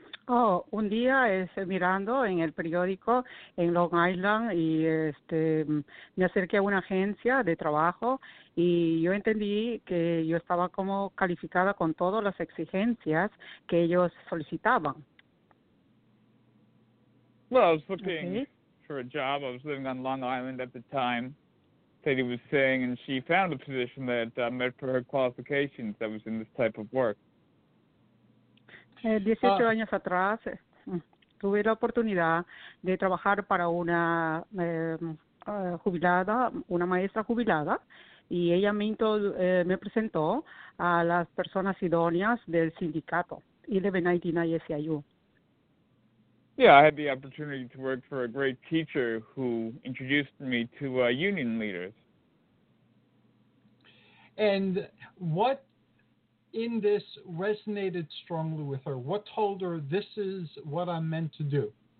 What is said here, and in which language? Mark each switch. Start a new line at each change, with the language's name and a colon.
Spanish: Oh, un día mirando en el periódico en Long Island y me acerqué a una agencia de trabajo y yo entendí que yo estaba como calificada con todas las exigencias que ellos solicitaban.
English: Well, I was looking for a job. I was living on Long Island at the time, Sadie was saying, and she found a position that met for her qualifications that was in this type of work.
Spanish: 18 años atrás, tuve la oportunidad de trabajar para una jubilada, una maestra jubilada, y ella me presentó a las personas idóneas del sindicato, 1199 SIU.
English: Yeah, I had the opportunity to work for a great teacher who introduced me to union leaders. And what in this resonated strongly with her? What told her, this is what I'm meant to do?